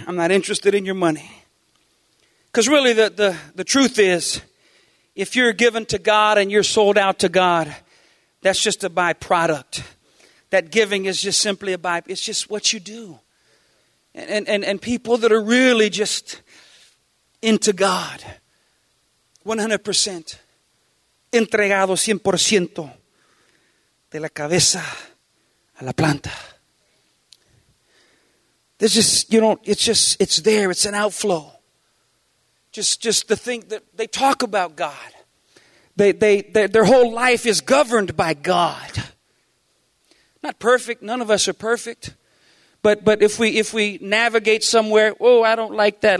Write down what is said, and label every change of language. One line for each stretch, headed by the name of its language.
English: I'm not interested in your money. Because really the truth is, if you're given to God and you're sold out to God, that's just a byproduct. That giving is just simply a byproduct. It's just what you do. And people that are really just into God, 100%.
Spanish: Entregado 100% de la cabeza a la planta.
English: This is, you know, it's just, it's there. It's an outflow. Just the thing that they talk about God. Their whole life is governed by God. Not perfect. None of us are perfect. But if we navigate somewhere, oh, I don't like that.